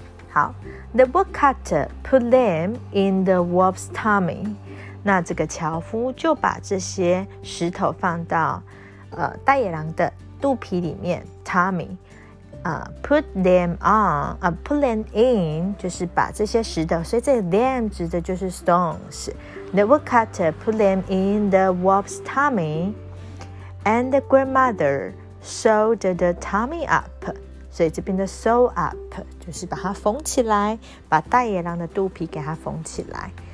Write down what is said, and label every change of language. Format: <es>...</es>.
<zh>好</zh> <en>，the woodcutter put them in the wolf's tummy.</en> <zh>那这个樵夫就把这些石头放到大野狼的肚皮里面 ，tummy.</zh> <en>Put them on, put them in,</en> <zh>就是把这些石头，所以这 them 指的就是 stones.</zh> <en>The woodcutter put them in the wolf's tummy, and the grandmother sewed the tummy up.</en> <zh>所以这边的 sew up 就是把它缝起来，把大野狼的肚皮给它缝起来。</zh>